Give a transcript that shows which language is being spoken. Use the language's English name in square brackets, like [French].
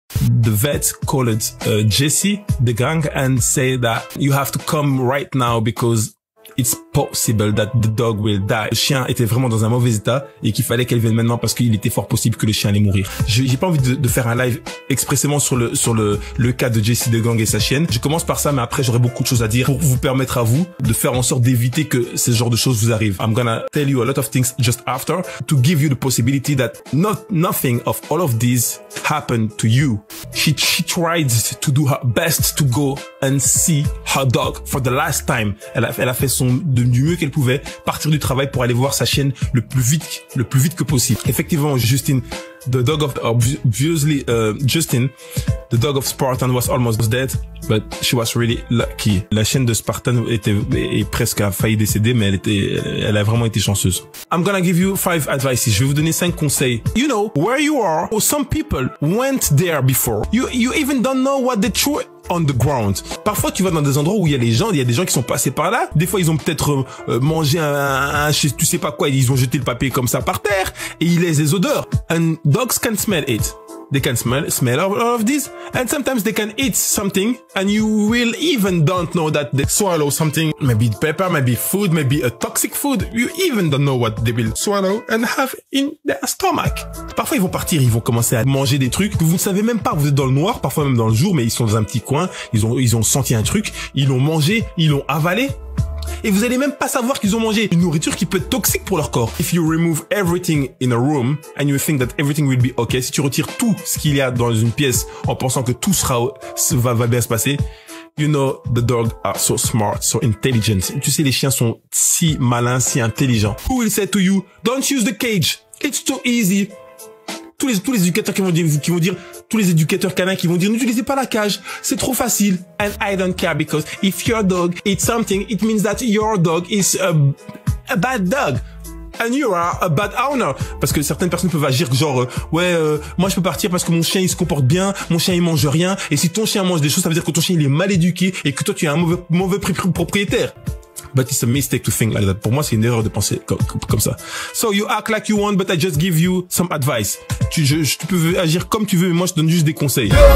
[English] the vet called Jesse, the gang, and say that you have to come right now because it's possible that the dog will die. [French] Le chien était vraiment dans un mauvais état et qu'il fallait qu'elle vienne maintenant parce qu'il était fort possible que le chien allait mourir. J'ai pas envie de faire un live expressément sur le cas de Jesse de Gang et sa chienne. Je commence par ça, mais après j'aurai beaucoup de choses à dire pour vous permettre à vous de faire en sorte d'éviter que ce genre de choses vous arrivent. [English] I'm gonna tell you a lot of things just after to give you the possibility that nothing of all of this happened to you. She tried to do her best to go and see her dog for the last time. [French] Elle a fait du mieux qu'elle pouvait partir du travail pour aller voir sa chienne le plus vite que possible. [English] Effectivement, Justin, the dog of obviously Justin, the dog of Spartan was almost dead, but she was really lucky. [French] La chienne de Spartan est presque a failli décéder, mais elle a vraiment été chanceuse. [English] I'm gonna give you 5 advices. [French] Je vais vous donner 5 conseils. [English] You know where you are, or some people went there before. You even don't know what the truth. On the ground. [French] Parfois, tu vas dans des endroits où il y a les gens, il y a des gens qui sont passés par là. Des fois, ils ont peut-être mangé tu sais pas quoi, ils ont jeté le papier comme ça par terre et ils laissent des odeurs. [English] And dogs can smell it. They can smell all of this. And sometimes they can eat something and you will even don't know that they swallow something. Maybe pepper, maybe food, maybe a toxic food. You even don't know what they will swallow and have in their stomach. [French] Parfois, ils vont partir, ils vont commencer à manger des trucs que vous ne savez même pas. Vous êtes dans le noir, parfois même dans le jour, mais ils sont dans un petit coin. Ils ont senti un truc. Ils l'ont mangé, ils l'ont avalé. Et vous allez même pas savoir qu'ils ont mangé une nourriture qui peut être toxique pour leur corps. [English] If you remove everything in a room and you think that everything will be okay, [French] si tu retires tout ce qu'il y a dans une pièce en pensant que tout va bien se passer, [English] you know the dogs are so smart, so intelligent. [French] Tu sais, les chiens sont si malins, si intelligents. [English] Who will say to you, don't use the cage, it's too easy. [French] Tous les éducateurs qui vont dire, tous les éducateurs canins qui vont dire, n'utilisez pas la cage, c'est trop facile. [English] And I don't care because if your dog eats something, it means that your dog is a bad dog. And you are a bad owner. [French] Parce que certaines personnes peuvent agir genre, moi je peux partir parce que mon chien il se comporte bien, mon chien il mange rien. Et si ton chien mange des choses, ça veut dire que ton chien il est mal éduqué et que toi tu es un mauvais propriétaire. [English] But it's a mistake to think like that. [French] Pour moi, c'est une erreur de penser comme ça. [English] So you act like you want, but I just give you some advice. [French] Tu peux agir comme tu veux, mais moi, je donne juste des conseils.